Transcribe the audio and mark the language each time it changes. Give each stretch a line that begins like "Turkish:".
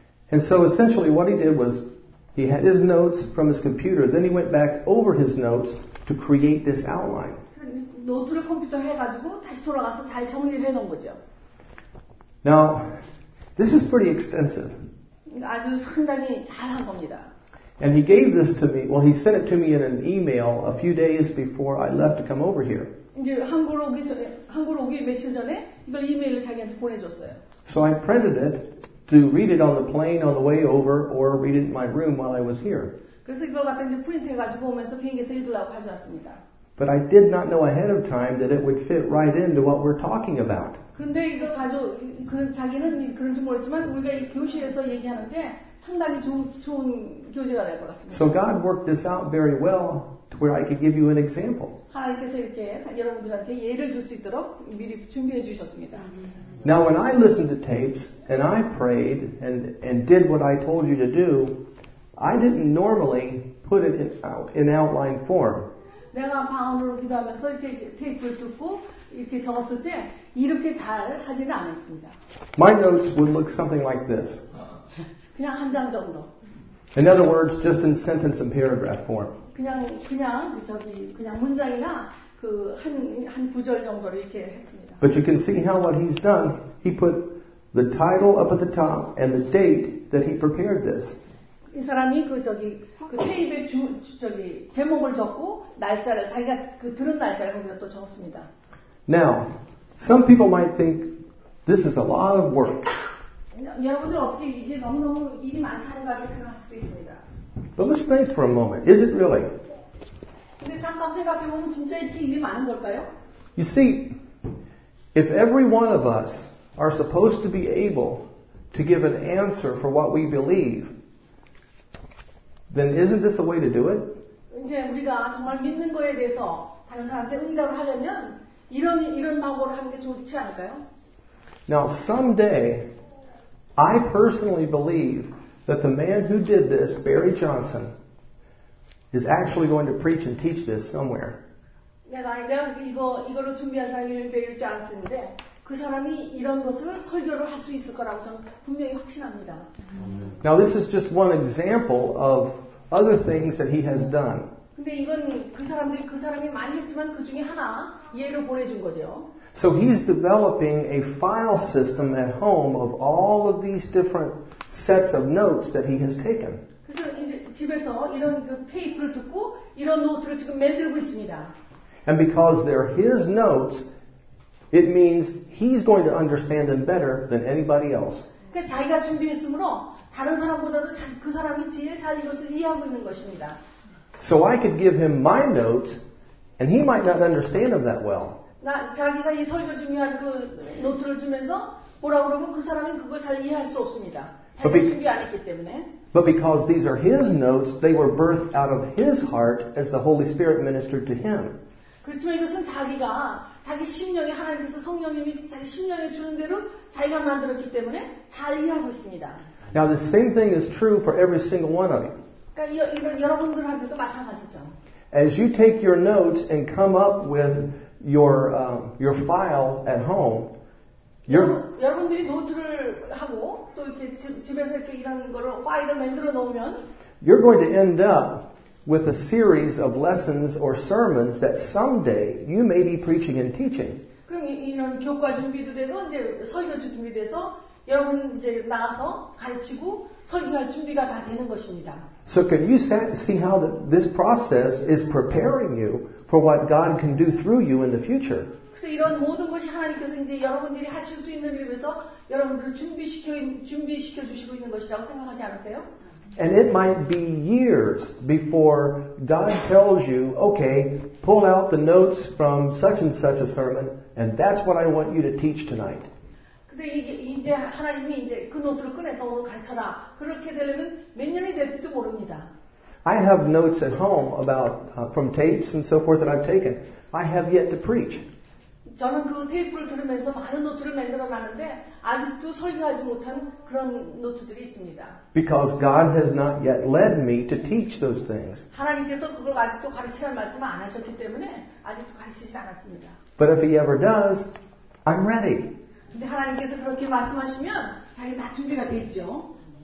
English: And so essentially what he did was he had his notes from his computer, then he went back over his notes to create this outline.
Korean: 노트를 컴퓨터 해가지고 다시 돌아가서 잘 정리를 해놓은 거죠.
English: Now, this is pretty extensive.
Korean: 아주 상당히 잘한 겁니다.
English: And he gave this to me. Well, he sent it to me in an email a few days before I left to come over here.
Korean: 이제 한국 오기 며칠 전에 이걸 이메일을 자기한테 보내줬어요.
English: So I printed it to read it on the plane on the way over, or read it in my room while I was here.
Korean: 그래서 이걸 갖다 이제 프린트해가지고 오면서 비행기에서 읽으려고 가져왔습니다.
English: But I did not know ahead of time that it would fit right into what we're talking about.
Korean: 근데 이걸 가지고 자기는 그런지 모르지만 우리가 이 교실에서 얘기하는데 상당히 좋은 교재가 될 것 같습니다.
English: So God worked this out very well to where I could give you an example.
Korean: 하나님께서 이렇게 여러분들한테 예를 줄 수 있도록 미리 준비해 주셨습니다.
English: Now when I listened to tapes and I prayed and did what I told you to do, I didn't normally put it in outline form.
Korean: 내가 방언으로 기도하면서 이렇게 테이프를 듣고 이렇게 적었을 때 이렇게 잘 하지는 않았습니다.
English: My notes would look something like this.
Korean: 그냥 한 장 정도.
English: In other words, just in sentence and paragraph form.
Korean: 그냥 문장이나 그 한 구절 정도를 이렇게 했습니다.
English: But you can see how what he's done. He put the title up at the top and the date that he prepared this.
Korean: 이 사람이 그 테이프에 제목을 적고 날짜를 자기가 그 들은 날짜를 거기다 또 적었습니다.
English: Now, some people might think this is a lot of work.
Korean: 여러분들 어떻게 이게 너무 일이 많다고 생각할 수도 있습니다.
English: But let's think for a moment. Is it really?
Korean: 근데 잠깐 생각해 보면 진짜 이렇게 일이 많은 걸까요?
English: You see, if every one of us are supposed to be able to give an answer for what we believe, then isn't this a way to do it?
Korean: 이제 우리가 정말 믿는 거에 대해서 다른 사람한테 응답을 하려면 이런 방법을 하는 게 좋지 않을까요?
English: Now someday, I personally believe that the man who did this, Barry Johnson, is actually going to preach and teach this somewhere.
Korean: 내가 이거를 준비한 사람이 Barry Johnson인데 그 사람이 이런 것을 설교를 할 수 있을 거라고 저는 분명히 확신합니다.
English: Now this is just one example of other things that he has done.
Korean: 근데 이건 그 사람이 많이 했지만 그 중에 하나 예를 보내준 거죠.
English: So he's developing a file system at home of all of these different sets of notes that he has taken.
Korean: 그래서 이제 집에서 이런 그 테이프를 듣고 이런 노트를 지금 만들고 있습니다.
English: And because they're his notes, it means he's going to understand them better than anybody else.
Korean: 자기가 준비했으므로 다른 사람보다도 그 사람이 제일 잘 이것을 이해하고 있는 것입니다.
English: So I could give him my notes, and he might not understand them that well.
Korean: 나 자기가 이 설교 준비한 그 노트를 주면서 보라 그러면 그 사람은 그걸 잘 이해할 수 없습니다. 자기가 준비 안 했기 때문에.
English: But because these are his notes, they were birthed out of his heart as the Holy Spirit ministered to him.
Korean: 그렇지만 이것은 자기 심령에 하나님께서 성령님이 자기 심령에 주는 대로 자기가 만들었기 때문에 잘 이해하고 있습니다.
English: Now the same thing is true for every single one of you.
Korean: 그러니까 이런 여러분들한테도 마찬가지죠.
English: As you take your notes and come up with your file at home, you're
Korean: 여러분들이 노트를 하고 또 이렇게 집에서 이렇게 이런 거를 파일을 만들어 놓으면
English: you're going to end up with a series of lessons or sermons that someday you may be preaching and teaching.
Korean: 그럼 이런 교과 준비도 되고 이제 설교 준비돼서 여러분 이제 나와서 가르치고 설교할 준비가 다 되는 것입니다.
English: So can you see how this process is preparing you for what God can do through you in the future?
Korean: 그래서 이런 모든 것이 하나님께서 이제 여러분들이 하실 수 있는 일을 위해서 여러분들 준비시켜 주시고 있는 것이라고 생각하지 않으세요?
English: And it might be years before God tells you, okay, pull out the notes from such and such a sermon, and that's what I want you to teach tonight.
Korean: 근데 이게 이제 하나님이 이제 그 노트를 꺼내서 오늘 가르쳐라. 그렇게 되려면 몇 년이 될지도 모릅니다.
English: I have notes at home about from tapes and so forth that I've taken. I have yet to preach.
Korean: 저는 그 테이프를 들으면서 많은 노트를 만들어 놨는데 아직도 설교하지 못한 그런 노트들이 있습니다.
English: Because God has not yet led me to teach those things.
Korean: 하나님께서 그걸 아직도 가르치라는 말씀을 안 하셨기 때문에 아직도 가르치지 않았습니다.
English: But if He ever does, I'm ready.
Korean: 근데 하나님께서 그렇게 말씀하시면 자기 다 준비가 돼 있죠.